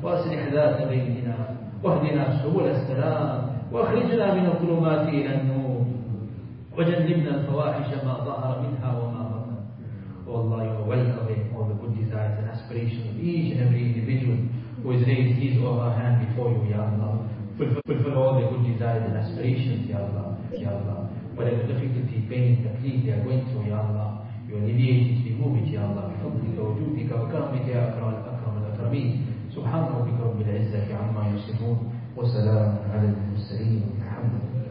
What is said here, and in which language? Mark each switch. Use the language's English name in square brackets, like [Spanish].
[Arabic] واصلح ذات بيننا واهدنا سبل السلام واخرجنا من الظلمات الى النور وجنبنا الفواحش ما ظهر منها وما بطن. والله [English] you are welcoming all the good desires and aspirations of each and every individual who has raised his or her hand before you, Ya Allah. Fulfill all their good desires and aspirations, Ya Allah, Ya Allah. Whatever difficulty, pain, fatigue they are going through, Ya Allah, you alleviate it, remove it, Ya Allah. [Arabic] بفضلك وجودك وكرمك يا أكرم الأكرم الأكرمين. سبحان ربك رب العزة عما يصفون. وسلام على المرسلين. الحمد لله.